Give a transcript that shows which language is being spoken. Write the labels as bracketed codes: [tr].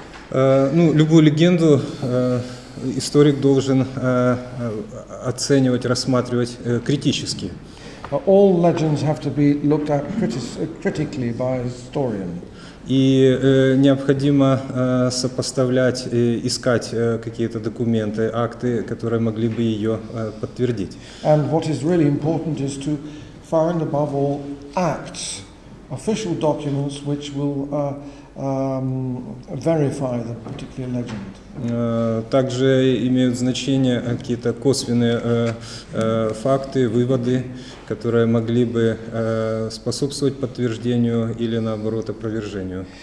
[ru] Ну, любую легенду историк должен оценивать, рассматривать критически. [en] All legends have to be looked at critically by historian. [ru] И необходимо сопоставлять, искать какие-то документы, акты, которые могли бы ее подтвердить. [en] And what is really important is to find above all acts, official documents, which will verify the particular legend. [ru] Также имеют значение какие-то косвенные факты, выводы, которые могли бы способствовать подтверждению или наоборот опровержению.